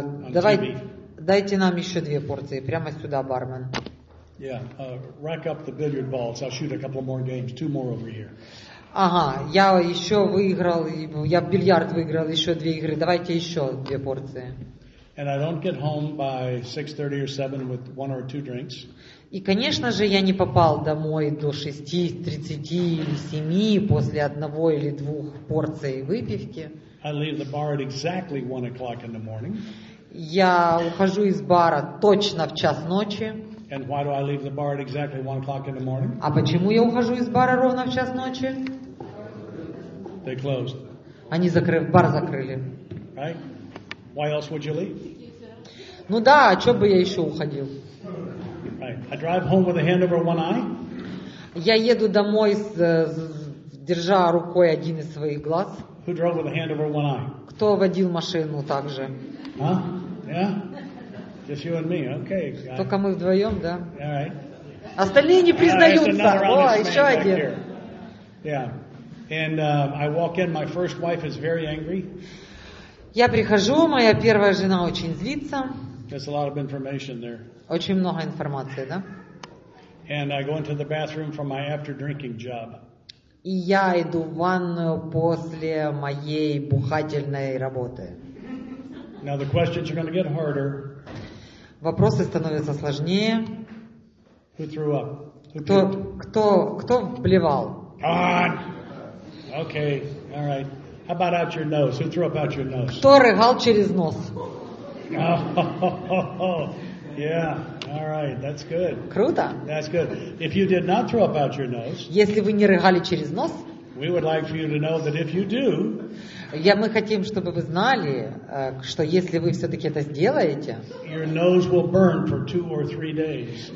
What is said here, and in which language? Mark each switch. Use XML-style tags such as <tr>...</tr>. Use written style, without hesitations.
<ru>Давай, дайте нам еще две порции прямо сюда, бармен.</ru> <en>Yeah, rack up the billiard balls. I'll shoot a couple more games. Two more over here.</en> <ru>Ага, я еще выиграл, я в бильярд выиграл еще две игры. Давайте еще две порции.</ru> <en>And I don't get home by 6:30 or 7 with one or two drinks.</en> <ru>И, конечно же, я не попал домой до 6:30 или 7 после одного или двух порций выпивки.</ru> <en>I leave the bar at exactly 1 o'clock in the morning.</en> <ru>Я ухожу из бара точно в час ночи.</ru> <en>And why do I leave the bar at exactly 1 o'clock in the morning?</en> <ru>А почему я ухожу из бара ровно в час ночи?</ru> <en>They closed.</en> <ru>Они закрыли, бар закрыли.</ru> <en>Right? Why else would you leave?</en> <ru>Ну да, а что бы я еще уходил?</ru> <en>Right. I drive home with a hand over one eye.</en> <ru>Я еду домой, держа рукой один из своих глаз.</ru> <en>Who drove with a hand over one eye?</en> <ru>Кто водил машину также?</ru> <en>Huh? Yeah? Just you and me, okay.</en> <ru>Только мы вдвоем, да?</ru> <en>All right.</en> <ru>Остальные не признаются. О, еще один.</ru> <en>Yeah. And I walk in. My first wife is very angry.</en> <ru>Я прихожу, моя первая жена очень злится.</ru> <en>There's a lot of information there.</en> <ru>Очень много информации, да?</ru> <en>And I go into the bathroom for my after drinking job.</en> <ru>И я иду в ванную после моей бухательной работы.</ru> <en>Now the questions are going to get harder.</en> <ru>Вопросы становятся сложнее.</ru> <en>Who threw up? Who</en> <ru>кто вплевал?</ru> <en>God. Okay. All right. How about out your nose? Who threw up out your nose?</en> <ru>Кто рыгал через нос?</ru> <en>Oh, yeah. All right. That's good.</en> <ru>Круто.</ru> <en>That's good. If you did not throw up out your nose.</en> <ru>Если вы не рыгали через нос.</ru> <en>We would like for you to know that if you do.</en> <ru>Я мы хотим, чтобы вы знали, что если вы все-таки это сделаете,</ru> <en>your nose will burn for 2 or 3 days.</en>